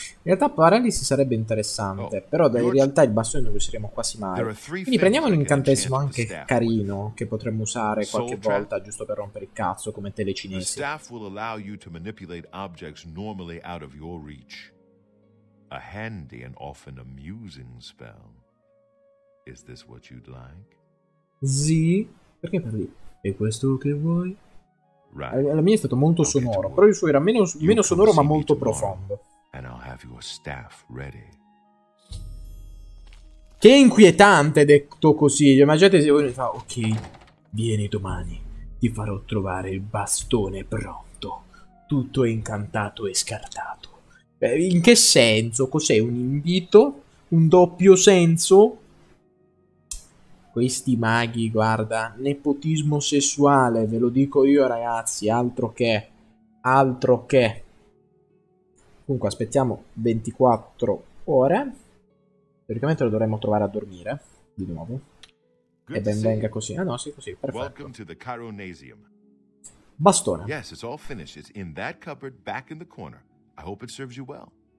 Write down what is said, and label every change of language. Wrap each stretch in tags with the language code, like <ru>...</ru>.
<it>In realtà paralisi sarebbe interessante, però in realtà il bastone non lo useremo quasi mai. Quindi prendiamo un incantesimo anche carino che potremmo usare qualche volta giusto per rompere il cazzo come telecinesi.</it> <en>The staff will allow you to manipulate objects normally out of your reach. A handy and often amusing spell. Is this what you'd like?</en> <it>Sì. Perché parli? È questo che vuoi?</it> <en>Right.</en> <it>La mia è stato molto sonoro, però il suo era meno sonoro ma molto profondo.</it> <en>And I'll have your staff ready.</en> <it>Che inquietante detto così. Immaginate se voi fa ok, vieni domani, ti farò trovare il bastone pronto, tutto incantato e scartato. In che senso? Cos'è un invito? Un doppio senso? Questi maghi, guarda, nepotismo sessuale, ve lo dico io ragazzi, altro che. Comunque aspettiamo 24 ore, praticamente lo dovremmo trovare a dormire, di nuovo.</it> <en>Good</en> <it>e ben venga così, ah no, sì, così, perfetto.</it> <en>Welcome to the Chironasium.</en> <it>Bastone.</it> <en>Yes, it's all finished, it's in that cupboard back in the corner, I hope it serves you well.</en>